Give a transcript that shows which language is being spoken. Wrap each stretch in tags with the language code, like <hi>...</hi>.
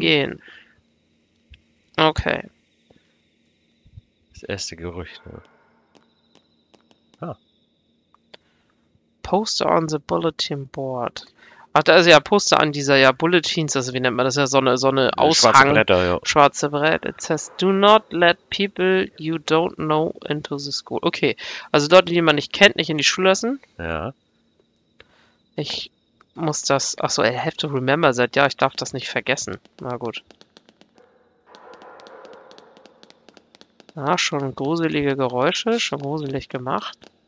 <de>gehen. Okay. Das erste Gerücht. Ne?</de> <en>Poster on the Bulletin Board.</en> <de>Ach, da ist ja Poster an dieser, ja, Bulletins, also wie nennt man das, ja, so eine Ne, schwarze Aushang, Bretter, ja. schwarze Brett.</de> <en>It says, do not let people you don't know into the school.</en> <de>Okay, also Leute, die man nicht kennt, nicht in die Schule lassen. Ja. Ich muss das. Ach so, I have to remember that. Ja, ich darf das nicht vergessen. Na gut. Ah, schon gruselige Geräusche, schon gruselig gemacht.</de>